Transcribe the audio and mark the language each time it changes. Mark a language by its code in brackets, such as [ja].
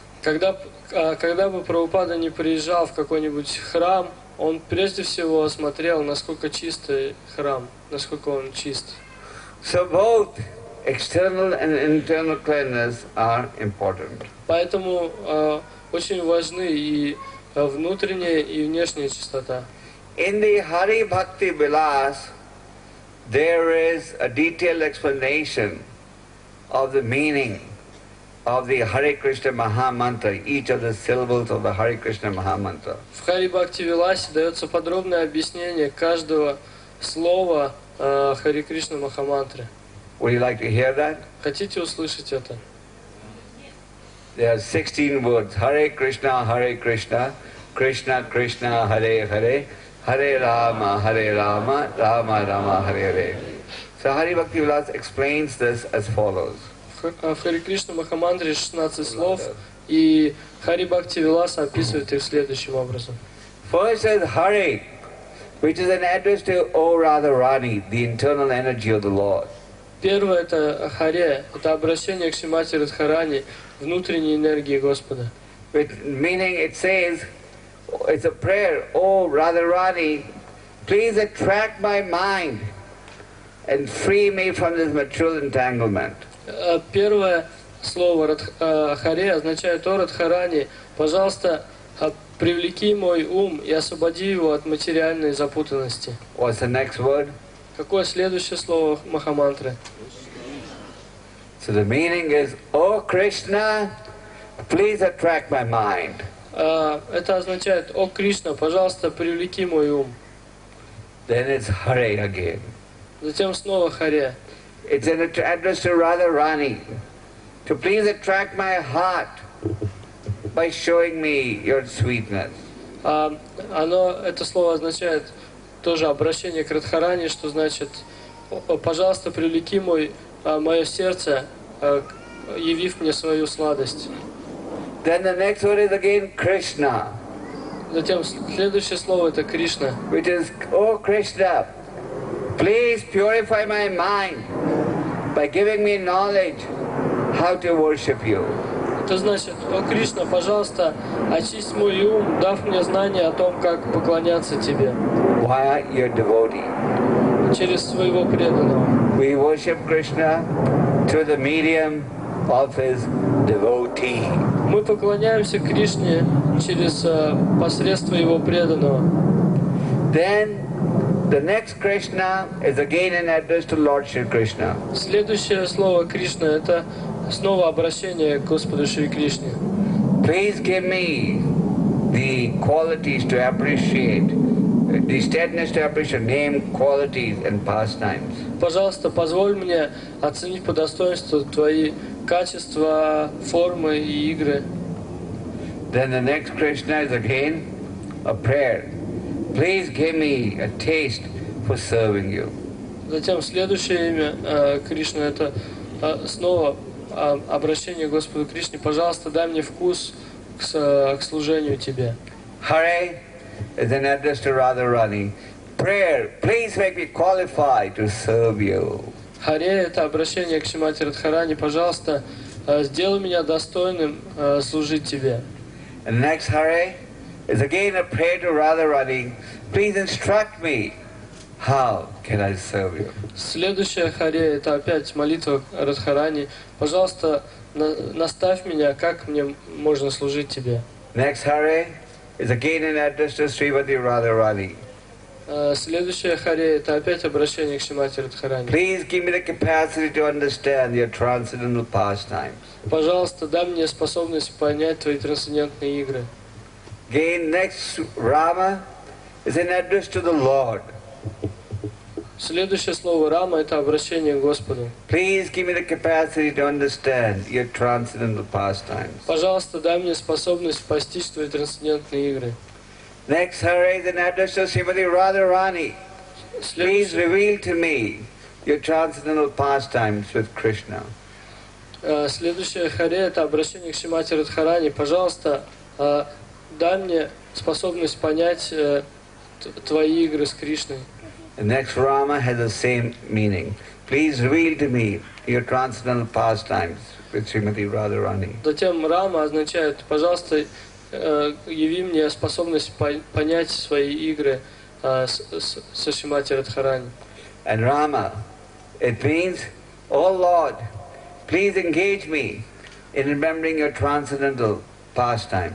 [ru] Когда бы Прабхупада не приезжал в какой-нибудь храм, он прежде всего осмотрел, насколько чистый храм, насколько он чист. [en] So both external and internal cleanliness are important. [ru] Поэтому очень важны и внутренняя, и внешняя чистота. [en] In the Hari Bhakti Vilas, there is a detailed explanation of the meaning of the Hare Krishna Maha Mantra, each of the syllables of the Hare Krishna Maha Mantra. [ru] В Hari Bhakti Vilas дается подробное объяснение каждого слова Hare Krishna Maha Mantra. [en] Would you like to hear that? [ru] Хотите услышать это? [en] There are 16 words. Hare Krishna, Hare Krishna, Krishna Krishna, Hare Hare, Hare Rama, Hare Rama, Rama Rama, Hare Hare. So Hari Bhakti Vilas explains this as follows. [ru] В Hare Krishna Mahamantra 16 слов, и Hari Bhakti Vilas описывает их следующим образом. [en] First is Hare, which is an address to O Radharani, the internal energy of the Lord. [ru] Первое — это Харе, это обращение к Шримати Радхарани, внутренней энергии Господа. [en] Meaning it says, it's a prayer, O Radharani, please attract my mind and free me from this material entanglement. [ru] Первое слово Харе означает: О Радхарани, пожалуйста, привлеки мой ум и освободи его от материальной запутанности. [en] What's the next word? [ru] Какое следующее слово Махамантры? [en] So the meaning is, O Krishna, please attract my mind. [ru] Это означает: О Кришна, пожалуйста, привлеки мой ум. [en] Then it's Hare again. [ru] Затем снова Харе. [en] It's an address to Radharani, to please attract my heart by showing me your sweetness. [ru] Это слово означает тоже обращение к Радхарани, что значит: пожалуйста, привлеки мое сердце, явив мне свою сладость. [en] Then the next word is again Krishna. [ru] Затем следующее слово — это Кришна. [en] Which is, O Krishna, please purify my mind by giving me knowledge how to worship you. [ru] Это значит: О Кришна, пожалуйста, очисти мой ум, дав мне знание о том, как поклоняться тебе. [en] Via your devotee. [ru] Через своего преданного. [en] We worship Krishna through the medium of his devotee. [ru] Мы поклоняемся Кришне через посредство его преданного. [en] Then the next Krishna is again an address to Lord Shri Krishna. [ru] Следующее слово Кришна — это снова обращение к Господу Шри Кришне. [en] Please give me the qualities to appreciate, the steadiness to appreciate name, qualities and pastimes. [ru] Пожалуйста, позволь мне оценить по достоинству твои качества, формы и игры. [en] Then the next Krishna is again a prayer. Please give me a taste for serving you. [ru] Затем следующее имя Кришна — это снова обращение к Господу Кришне: пожалуйста, дай мне вкус к служению тебе. [en] Hare is an address to Radharani. Prayer, please make me qualified to serve you. [ru] Hare – это обращение к Шримати Радхарани. Пожалуйста, сделай меня достойным служить Тебе. [en] And next Hare is again a prayer to Radharani. Please instruct me. How can I serve you? [ru] Следующая Харе – это опять молитва Радхарани. Пожалуйста, наставь меня, как мне можно служить Тебе. [en] Next Харе is again an address to Srimati Radharani. [ru] Следующая Харе – это опять обращение к Шримати Радхарани. [en] Please give me the capacity to understand your transcendental pastimes. [ru] Пожалуйста, дай мне способность понять твои трансцендентные игры. [en] Again, next Rama is an address to the Lord. [ru] Следующее слово Рама – это обращение к Господу. [en] Please give me the capacity to understand your transcendental pastimes. [ru] Пожалуйста, дай мне способность постичь твои трансцендентные игры. [en] Next Hare is an address to Srimati Radharani. Please reveal to me your transcendental pastimes with Krishna. [ru] Следующее Харе – это обращение к Шримати Радхарани. Пожалуйста, дай мне способность понять твои игры с Кришной. [en] The next Rama has the same meaning. Please reveal to me your transcendental pastimes with Srimati Radharani. [ru] Затем Рама означает, пожалуйста, яви мне способность понять свои игры со Шримати Радхарани. [en] And Rama, it means, O Lord, please engage me in remembering your transcendental pastimes.